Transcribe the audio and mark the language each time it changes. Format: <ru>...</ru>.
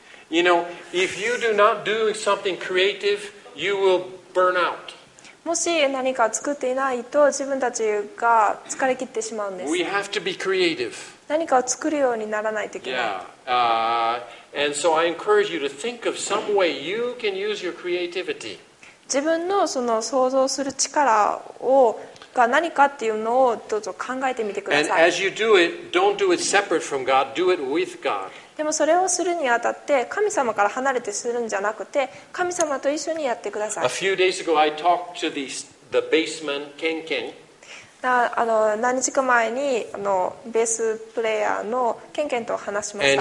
<en>You know, if you do not do something creative, you will burn out.</en> <ja>もし何か作っていないと自分たちが疲れ切ってしまうんです。</ja> <en>We have to be creative.</en> <ja>何かを作るようにならないといけない。</ja> <en>Yeah. And so I encourage you to think of some way you can use your creativity.</en> <ja>自分のその想像する力をが何かっていうのをどうぞ考えてみてください。</ja> <en>And as you do it, don't do it separate from God. Do it with God.</en> <ja>でもそれをするにあたって神様から離れてするんじゃなくて神様と一緒にやってください。</ja> <en>A few days ago, I talked to the baseman, Ken.</en> <ja>何日か前にベースプレイヤーのケンケンと話しました。</ja>